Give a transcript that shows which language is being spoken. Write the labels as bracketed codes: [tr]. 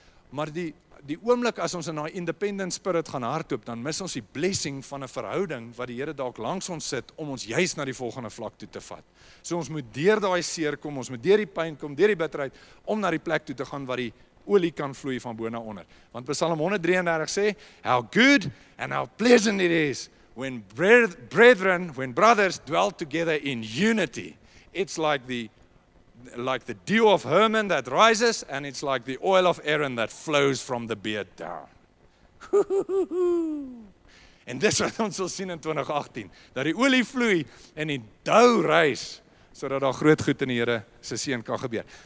[af] Maar die oomblik as ons in daai [en] independent spirit [af] gaan hardloop, dan mis ons die blessing van 'n verhouding wat die Here dalk langs ons sit om ons juist na die volgende vlak toe te vat. So ons moet deur daai seer kom, ons moet deur die pyn kom, deur die bitterheid om na die plek toe te gaan waar die olie kan vloei van bo na onder. Want Psalm 133 sê, [en] "How good and how pleasant it is when brothers dwell together in unity. It's like the dew of Hermon that rises, and it's like the oil of Aaron that flows from the beard down." [af] En dis wat ons sal sien in 2018, dat die olie vloei en die dou rys, sodat daar groot goed in die Here se seën kan gebeur.